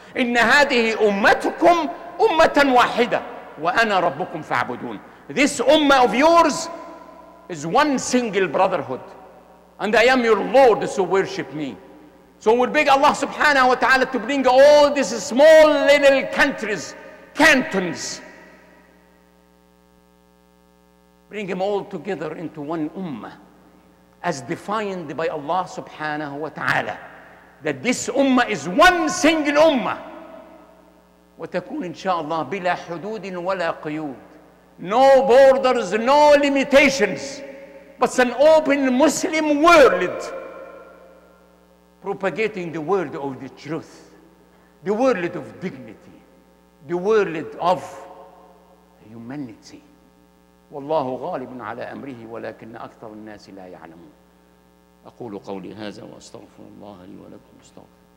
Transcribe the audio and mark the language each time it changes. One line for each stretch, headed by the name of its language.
Arabic: إن هذه أمتكم أمة واحدة وأنا ربكم فاعبدون.
English: This ummah of yours is one single brotherhood and I am your Lord, so worship me. So we beg Allah subhanahu wa ta'ala to bring all these small little countries, cantons, bring them all together into one ummah as defined by Allah subhanahu wa ta'ala, that this ummah is one single ummah.
Arabic: وتكون إن شاء الله بلا حدود ولا قيود.
English: No borders, no limitations, but it's an open Muslim world propagating the word of the truth, the world of dignity, the world of humanity.
Arabic: والله غالب على أمره ولكن أكثر الناس لا يعلمون. أقول قولي هذا وأستغفر الله لي ولكم. أستغفر.